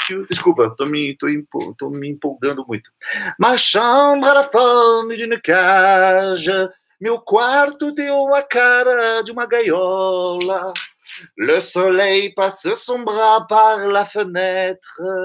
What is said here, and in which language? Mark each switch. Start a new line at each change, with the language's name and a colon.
Portuguese: Desculpa, tô me empolgando muito.
French: Ma chambre a la forme d'une cage.
Portuguese: Meu quarto tem uma cara de uma gaiola.
French: Le soleil passe son bras par la fenêtre.